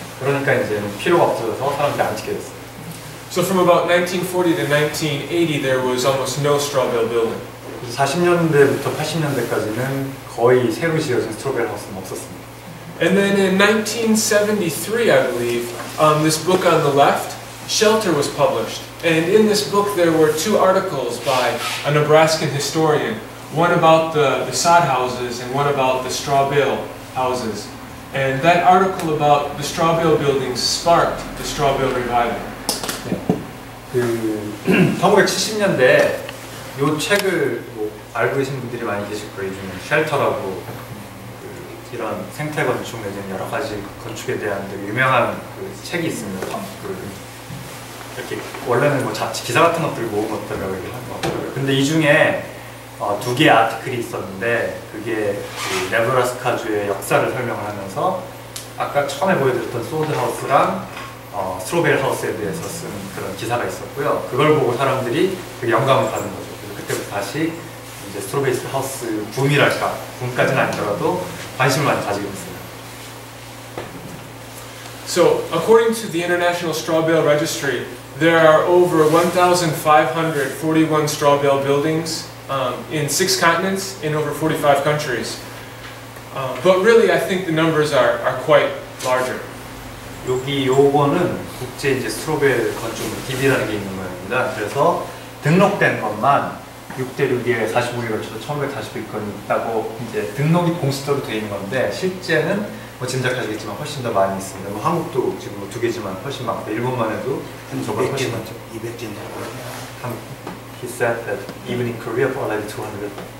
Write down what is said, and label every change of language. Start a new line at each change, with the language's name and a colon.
Korean: 그러니까 이제 필요가 없어져서 사람들이 안 찍게 됐어요.
English: So from about 1940 to 1980, there was almost no straw bale building.
Korean: 40년대부터 80년대까지는 거의 새로 지어진 스트로 베일 하우스는 없었습니다.
English: And then in 1973, I believe, this book on the left, Shelter was published. And in this book, there were two articles by a Nebraskan historian, one about the sod houses and one about the straw bale houses. And that article about the straw bale buildings sparked the straw bale revival.
Korean: 1970년대 이 책을 뭐 알고 계신 분들이 많이 계실 거예요. 중에 쉘터라고 이런 생태 건축 내지 여러 가지 건축에 대한 되게 유명한 그 책이 있습니다. 이렇게 원래는 뭐 잡지 기사 같은 것들을 모은 것들이라고 얘기하는 것 같아요. 근데 이 중에 두 개의 아티클이 있었는데 그게 그 네브라스카주의 역사를 설명을 하면서 아까 처음에 보여드렸던 소드하우스랑 스트로베일 하우스에 대해서 쓴 그런 기사가 있었고요. 그걸 보고 사람들이 되게 영감을 받는 거죠. 그래서 그때부터 다시 이제 스트로베일 하우스 붐이랄까, 붐까지는 아니더라도 관심만 가지고 있어요.
English: So, according to the International Straw Bale Registry, there are over 1,541 straw bale buildings in 6 continents in over 45 countries. But really, I think the numbers are quite larger.
Korean: 여기 요거는 국제 이제 스트로베일 건축 DB라는 게 있는 모양입니다. 그래서 등록된 것만 6대륙에 45개 걸쳐서 1,540여 건이 있다고 이제 등록이 공식적으로 되어 있는 건데 실제는 뭐 짐작하시겠지만 훨씬 더 많이 있습니다. 뭐 한국도 지금 두 개지만 훨씬 많고 일본만 해도 한 200개 정도. 200개 정도.
English: He said that even in Korea, for like 200.